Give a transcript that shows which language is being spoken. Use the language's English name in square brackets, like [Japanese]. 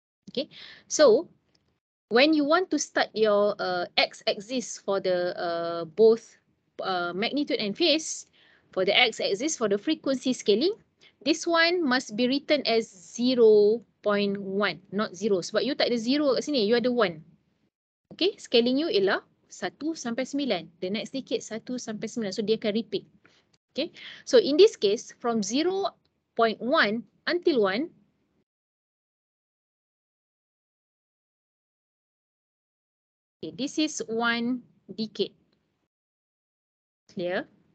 [English] Okay, so when you want to start your x-axis for the both magnitude and phase, for the x-axis, for the frequency scaling, this one must be written as 0.1, not 0. [Malay] Sebab you tak ada 0 kat sini, you ada 1. Okay, scaling you ialah 1 sampai 9. [English] The next decade, 1 [Malay] sampai 9. So, dia akan [English] repeat. Okay, so in this case, from 0.1 until 1, okay, this is 1 decade. Clear?